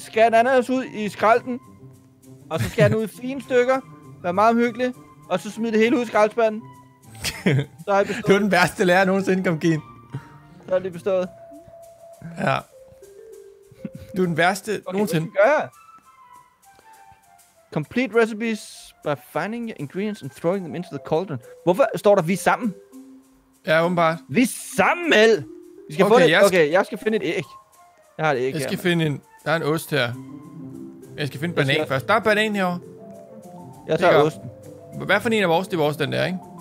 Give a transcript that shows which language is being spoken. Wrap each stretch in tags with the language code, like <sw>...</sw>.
<da>Skal en ananas ud i skralden. Og så skal den ud i fine stykker. Vær meget omhyggelig. Og så smid det hele ud i skraldspanden. Så har I bestået. Det var den værste lærer, nogensinde kom gen. Så har I bestået. Ja. Du er den værste nogensinde. Okay, hvad skal gøre?</da> <en>Complete recipes by finding your ingredients and throwing them into the cauldron.</en> <da>Hvorfor står der vi sammen? Ja, åbenbart. Vi sammen, Mel! Vi skal få det. Jeg skal finde et æg. Jeg har et æg her. Der er en ost her. Jeg skal finde banan først. Der er banan herovre. Jeg tager osten. Hvad for en af vores? Det er vores, den der, ikke?</da>